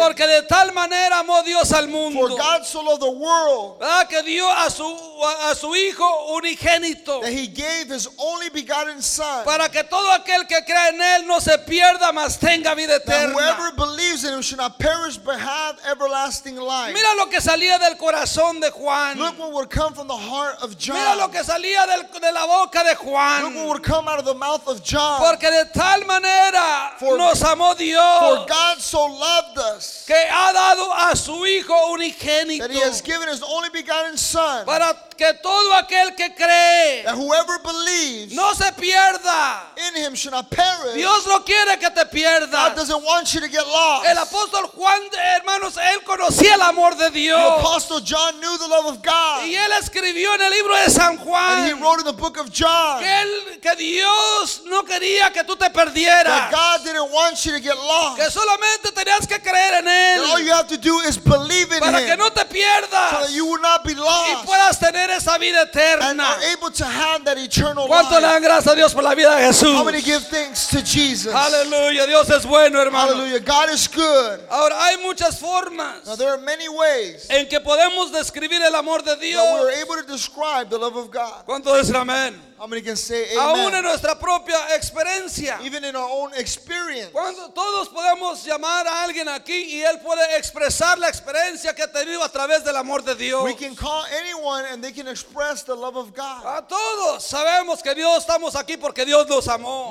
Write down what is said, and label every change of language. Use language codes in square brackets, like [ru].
[es] Porque de tal manera amó Dios al mundo. [en] For God so loved the world. [es] Dio a su hijo unigénito, [en] that he gave his only begotten son, [es] para que todo aquel que crea en él no se pierda, mas tenga vida eterna. [en] Whoever believes in him should not perish but have everlasting life. [es] Mira lo que salía del corazón de Juan. [en] Look what would come from the heart of John. [es] Mira lo que salía de la boca de Juan. [en] Look what would come out of the mouth of John. [es] Porque de tal manera nos amó Dios, [en] for God so loved us, [es] que ha dado a su hijo unigénito, [en] that he has given his only begotten Son, [es] para que todo aquel que cree, [en] that whoever believes, [es] no se pierda, [en] in him should not perish. [es] Dios no quiere que te pierdas. [en] God doesn't want you to get lost. [es] El apóstol Juan, hermanos, él conocía el amor de Dios. [en] The apostle John knew the love of God. [es] Y él escribió en el libro de San Juan. [en] And he wrote in the book of John. [es] Que Dios no quería que tú te perdieras. [en] That God didn't want you to get lost. [es] Que solamente tenías que creer en él. [en] That all you have to do is believe in [es] para [en] him. [es] Para que no te pierdas. [en] So that you will not be lost. [es] Y puedas tener esa vida eterna. [en] And are able to have that eternal life. [es] ¿Cuánto le dan gracias a Dios por la vida de Jesús? [en] How many give thanks to Jesus? [es] Aleluya, Dios es bueno, hermano. [en] Hallelujah. God is good. [es] Ahora hay muchas formas. [en] Now there are many ways [es] en que podemos describir el amor de Dios. [en] That we're able to describe the love of God. [es] ¿Cuánto dicen amén? [en] How many can say amen? [es] Aún en nuestra propia experiencia. [en] Even in our own experience. [es] Cuando todos podemos llamar a alguien aquí y él puede expresar la experiencia que ha tenido a través del amor de Dios. [en] We can call anyone and they can express the love of God. [es] A todos sabemos que Dios estamos aquí porque Dios nos amó.